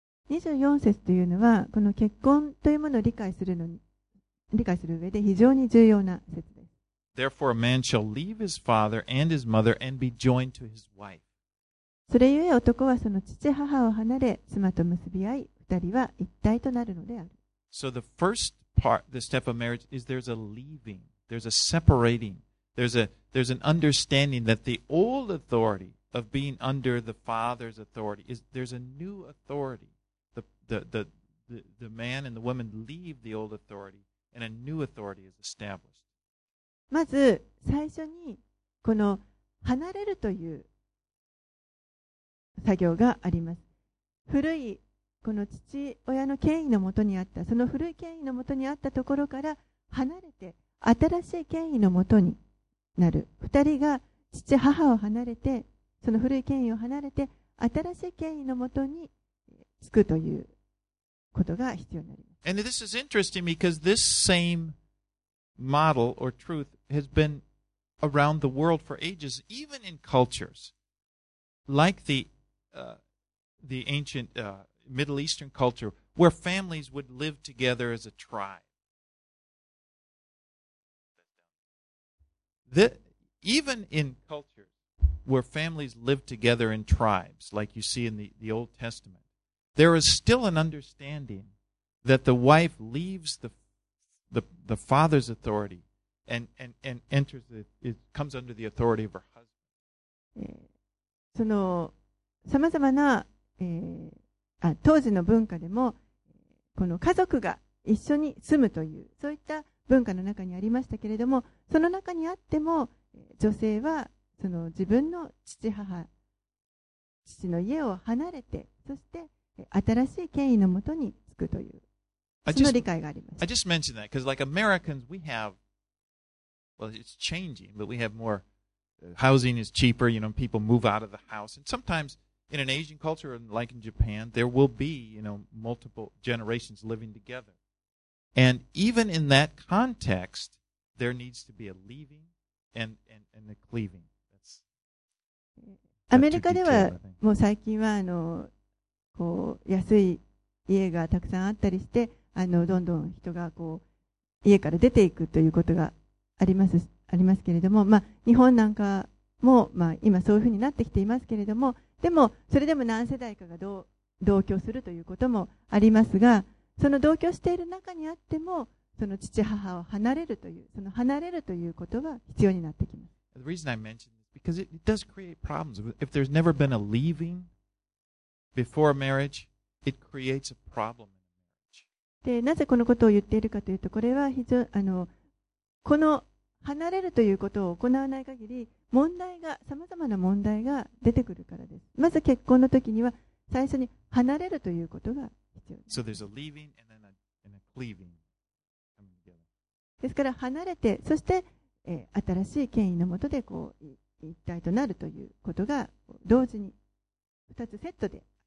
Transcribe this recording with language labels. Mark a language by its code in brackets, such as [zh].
[ja] 24節というのはこの結婚というものを理解する上で非常に重要な節です。 [en] Therefore, a man shall leave his father and his mother and be joined to his wife. [ja] それゆえ男はその父母を離れ妻と結び合い二人は一体となるのである。 [en] So the first part, the step of marriage is there's a leaving, there's a separating, there's an understanding that the old authority of being under the father's authority is there's a new authority the man and the woman leave the old authority and a new authority is established. [ja] まず最初にこの離れるという作業があります。古いこの父親の権威のもとにあった、その古い権威のもとにあったところから離れて新しい権威のもとになる。二人が父母を離れて、その古い権威を離れて新しい権威のもとに着くということが必要になります。 [en] And this is interesting because this same model or truth has been around the world for ages, even in cultures like the ancient Middle Eastern culture, where families would live together as a tribe. Even in cultures where families live together in tribes, like you see in the Old Testament, there is still an understanding that the wife leaves the father's authority and enters it comes under the authority of her husband. [ja] その様々な、当時の文化でもこの家族が一緒に住むというそういった文化の中にありましたけれども、その中にあっても女性はその自分の父母父の家を離れて、そして新しい権威のもとに着くというその理解があります。 [en] I just mentioned that because like Americans we have well it's changing but we have more housing is cheaper, you know, people move out of the house and sometimesin an Asian culture like in Japan, there will be, you know, multiple generations living together. And even in that context, there needs to be a leaving and a cleaving. That's [ja] アメリカではもう最近はあのこう安い家がたくさんあったりして、あのどんどん人がこう家から出ていくということがありますけれども、まあ日本なんかもまあ今そういうふうになってきていますけれども、でもそれでも何世代かが同居するということもありますが、その同居している中にあってもその父母を離れるというその離れるということは必要になってきます。 [en] The reason I mentioned this is because it does create problems. If there's never been a leaving before marriage, it creates a problem in marriage. [ja] で、なぜこのことを言っているかというと、これは非常あのこの離れるということを行わない限り問題が、さまざまな問題が出てくるからです。まず結婚の時には最初に離れるということが必要です。 [en] So there's a leaving and then a cleaving coming together. [ja] ですから離れて、そして、新しい権威のもとでこう一体となるということが同時に二つセットで。